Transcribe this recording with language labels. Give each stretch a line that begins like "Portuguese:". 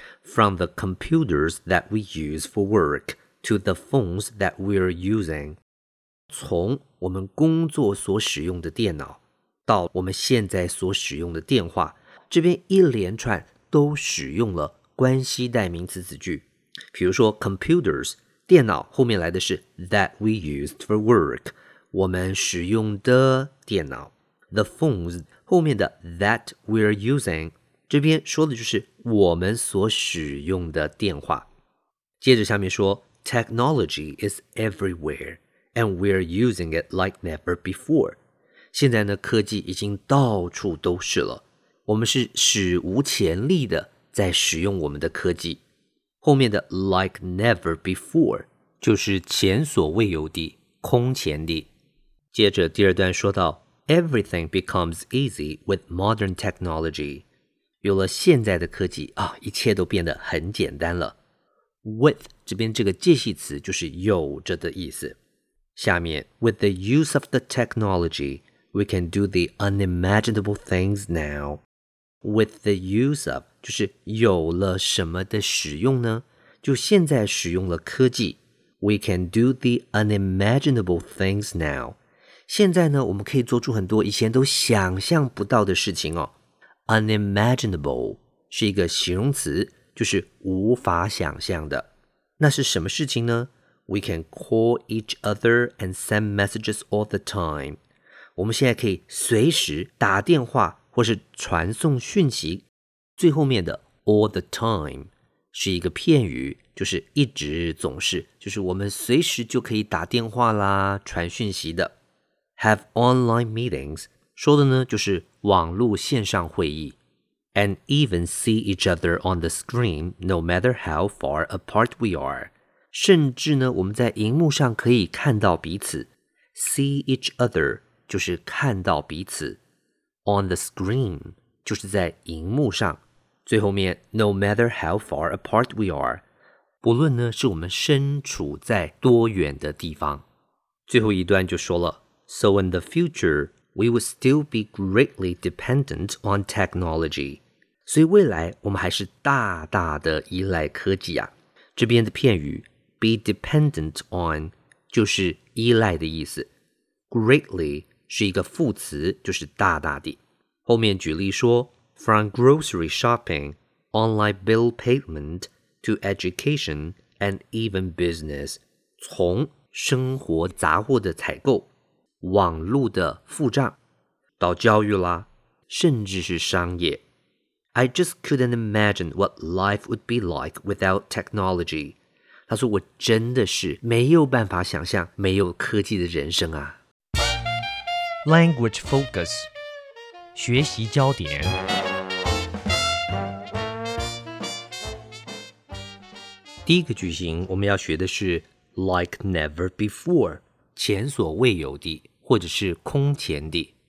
English: From the computers that we use for work to the phones that we're using.
Chinese: 从我们工作所使用的电脑到我们现在所使用的电话，这边一连串都使用了关系代名词子句。比如说 computers, 电脑后面来的是
English: that we used for work,
Chinese: 我们使用的电脑。
English: The phones,
Chinese: 后面的
English: that we're using,
Chinese: 这边说的就是我们所使用的电话。接着下面说
English: Technology is everywhere, and we're using it like never before.
Chinese: 现在呢，科技已经到处都是了，我们是史无前例的在使用我们的科技。后面的
English: like never before
Chinese: 就是前所未有的，空前的。接着第二段说到
English: Everything becomes easy with modern technology.
Chinese: 有了现在的科技啊，一切都变得很简单了。 With 这边这个介系词就是有着的意思。下面
English: With the use of the technology, we can do the unimaginable things now. With the use of
Chinese: 就是有了什么的使用呢？就现在使用了科技
English: ，we can do the unimaginable things now.
Chinese: 现在呢，我们可以做出很多以前都想象不到的事情哦。 Unimaginable 是一个形容词，就是无法想象的。那是什么事情呢？
English: We can call each other and send messages all the time.
Chinese: 我们现在可以随时打电话或是传送讯息。最后面的
English: all the time
Chinese: 是一个片语，就是一直总是，就是我们随时就可以打电话啦，传讯息的。
English: Have online meetings,
Chinese: 说的呢就是网路线上会议。
English: And even see each other on the screen, no matter how far apart we are.
Chinese: 甚至呢我们在荧幕上可以看到彼此。
English: See each other,
Chinese: 就是看到彼此。
English: On the screen,
Chinese: 就是在荧幕上。最后面
English: no matter how far apart we are,
Chinese: 不论呢是我们身处在多远的地方。最后一段就说了
English: So in the future, we would still be greatly dependent on technology.
Chinese: 所以未来我们还是大大的依赖科技啊。这边的片语
English: be dependent on
Chinese: 就是依赖的意思。 Greatly 是一个副词，就是大大的。后面举例说
English: ，from grocery shopping, online bill payment to education and even business,
Chinese: 从生活杂货的采购。网路的付账到教育啦甚至是商业
English: I just couldn't imagine what life would be like without technology
Chinese: 他说我真的是没有办法想象没有科技的人生啊
English: Language focus
Chinese: 学习焦点第一个句型我们要学的是
English: like never before
Chinese: 前所未有的或者是空前的。